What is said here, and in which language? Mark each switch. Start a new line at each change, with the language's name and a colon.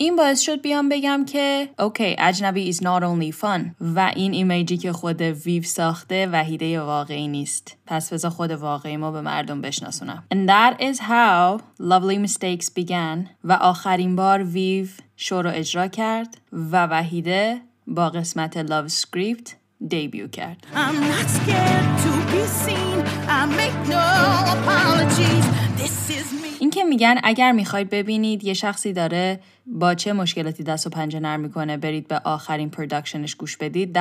Persian: این باعث شد بیام بگم که اوکی، اجنبی
English: is not only fun
Persian: و این ایمیجی که خود ویو ساخته وحیده واقعی نیست، پس بذار خود واقعی ما به مردم بشناسونم.
English: And that is how lovely mistakes began.
Persian: و آخرین بار ویو شو رو اجرا کرد و وحیده با قسمت لاو اسکریپت دیبیو کرد.
English: I'm not scared to be seen. I make no apologies. This is me.
Persian: این که میگن اگر میخواید ببینید یه شخصی داره با چه مشکلاتی دست و پنجه نرم میکنه، برید به آخرین پروداکشنش گوش بدید.